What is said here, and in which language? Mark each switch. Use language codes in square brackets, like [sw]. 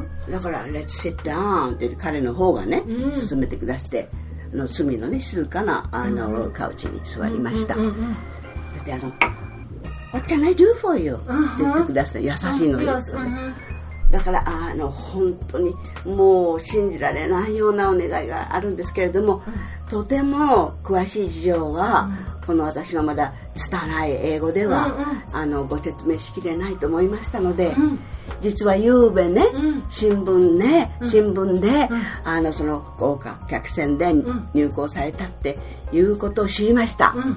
[ja] だから、レッツシットダウンって彼の方がね、勧めてくだして、の隅のね、静かなあの、カウチに座りました。 [en] だって、What can I do for you? [ja] って言ってくだして、優しいのですよね。だから、あの本当にもう信じられないようなお願いがあるんですけれども、とても詳しい事情は、この私のまだ拙い英語では、あのご説明しきれないと思いましたので、実は夕べね、新聞ね、新聞で、あのその豪華客船で入港されたっていうことを知りました。